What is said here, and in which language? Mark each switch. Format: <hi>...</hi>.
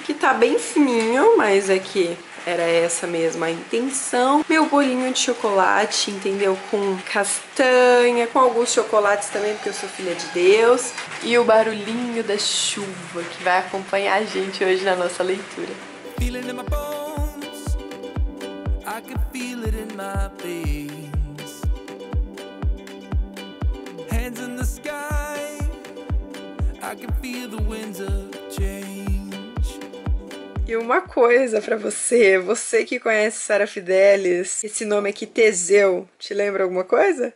<pt>Que tá bem fininho, mas é que... era essa mesma a intenção. Meu bolinho de chocolate, entendeu? Com castanha, com alguns chocolates também, porque eu sou filha de Deus. E o barulhinho da chuva que vai acompanhar a gente hoje na nossa leitura.</pt> <en>Feeling in my bones, I can feel it in my veins. Hands in the sky, I can feel the winds of change.</en> <pt>E uma coisa pra você, você que conhece Sarah Fidelis, esse nome aqui, Teseu, te lembra alguma coisa?</pt>